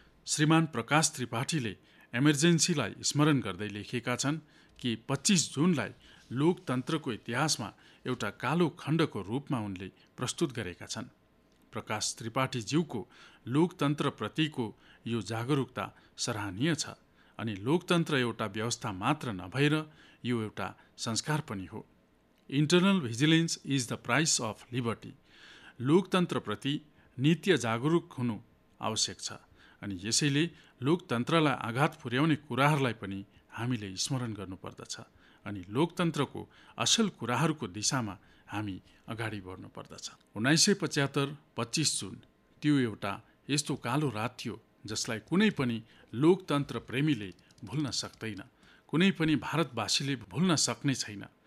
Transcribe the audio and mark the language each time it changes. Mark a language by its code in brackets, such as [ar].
[ne] श्रीमान प्रकाश त्रिपाठीले इमर्जेन्सीलाई स्मरण गर्दै लेखेका छन् कि 25 जुनलाई लोकतन्त्रको इतिहासमा एउटा कालो खण्डको रूपमा उनले प्रस्तुत गरेका छन्। प्रकाश त्रिपाठीज्यूको लोकतन्त्रप्रतिको यो जागरूकता सराहनीय छ। अनि लोकतन्त्र एउटा व्यवस्था मात्र नभएर यो एउटा संस्कार पनि हो। [en] Internal vigilance is the price of liberty. [ne] लोकतन्त्रप्रति नित्य जागरूक हुनु आवश्यक छ। अनि यसैले लोकतन्त्रलाई आघात पुर्याउने कुराहरूलाई पनि हामीले स्मरण गर्नुपर्दछ। अनि लोकतन्त्रको असल कुराहरूको दिशामा हामी अगाडि बढ्नुपर्दछ। 1975 25 जुन त्यो एउटा यस्तो कालो रात थियो जसलाई कुनै पनि लोकतन्त्र प्रेमीले भुल्न सक्दैन, कुनै पनि भारतवासीले भुल्न सक्ने छैन।